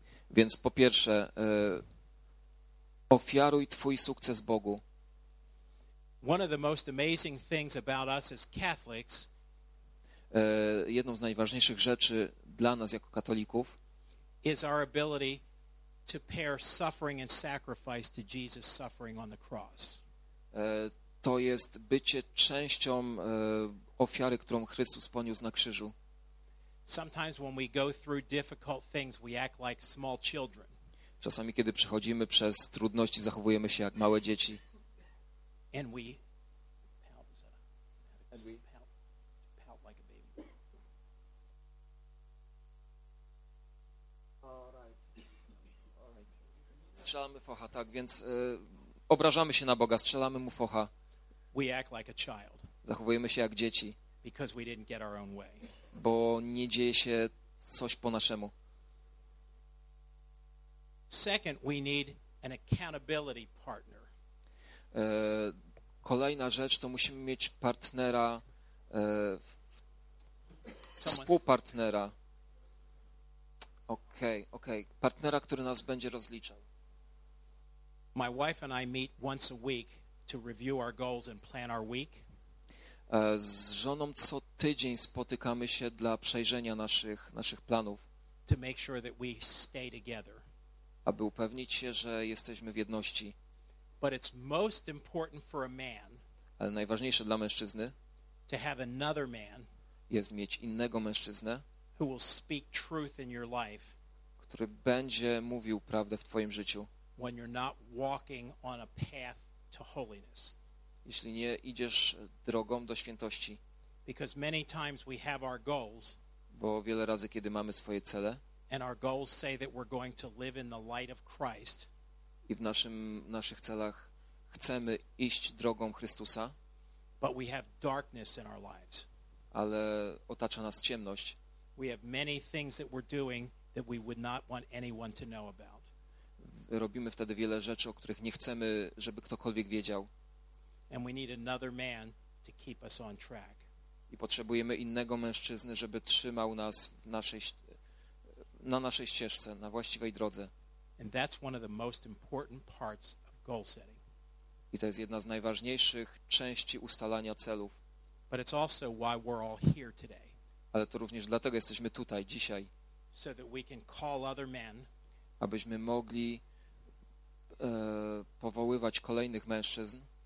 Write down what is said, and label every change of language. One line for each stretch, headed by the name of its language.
Polish: Więc po pierwsze, ofiaruj twój sukces Bogu.
English: One of the most amazing things about us as Catholics.
Polish: Jedną z najważniejszych rzeczy dla nas jako katolików.
English: Is our ability to pair suffering and sacrifice to Jesus' suffering on the cross.
Polish: To jest bycie częścią ofiary, którą Chrystus poniósł na krzyżu.
English: Sometimes when we go through difficult things, we act like small children.
Polish: Czasami, kiedy przechodzimy przez trudności, zachowujemy się jak małe dzieci.
English: And we pout like a baby.
Polish: Strzelamy focha, tak, więc obrażamy się na Boga, strzelamy mu focha.
English: We act like a child.
Polish: Zachowujemy się jak dzieci.
English: Because we didn't get our own way.
Polish: Bo nie dzieje się coś po naszemu.
English: Second, we need an accountability partner.
Polish: Kolejna rzecz, to musimy mieć partnera, współpartnera. Okej. Partnera, który nas będzie rozliczał.
English: My wife and I meet once a week to review our goals and plan our week.
Polish: Z żoną co tydzień spotykamy się dla przejrzenia naszych planów.
English: To make sure that we stay together.
Polish: Aby upewnić się, że jesteśmy w jedności.
English: But it's most important for a man,
Polish: ale najważniejsze dla mężczyzny,
English: to have another man,
Polish: jest mieć innego mężczyznę,
English: who will speak truth in your life,
Polish: który będzie mówił prawdę w twoim życiu,
English: when you're not walking on a path to holiness.
Polish: Jeśli nie idziesz drogą do świętości.
English: Because many times we have our goals,
Polish: bo wiele razy, kiedy mamy swoje cele,
English: and our goals say that we're going to live in the light of Christ.
Polish: I w naszych celach chcemy iść drogą Chrystusa.
English: But we have darkness in our lives.
Polish: Ale otacza nas ciemność.
English: We have many things that we're doing that we would not want anyone to know about.
Polish: Robimy wtedy wiele rzeczy, o których nie chcemy, żeby ktokolwiek wiedział.
English: And we need another man to keep us on track.
Polish: I potrzebujemy innego mężczyzny, żeby trzymał nas w naszej na naszej ścieżce, na właściwej drodze.
English: And that's one of the most important parts of goal setting.
Polish: I to jest jedna z najważniejszych części ustalania celów.
English: But it's also why we're all here today.
Polish: Ale to również dlatego jesteśmy tutaj dzisiaj.
English: So that we can call other men.
Polish: Abyśmy mogli powoływać kolejnych mężczyzn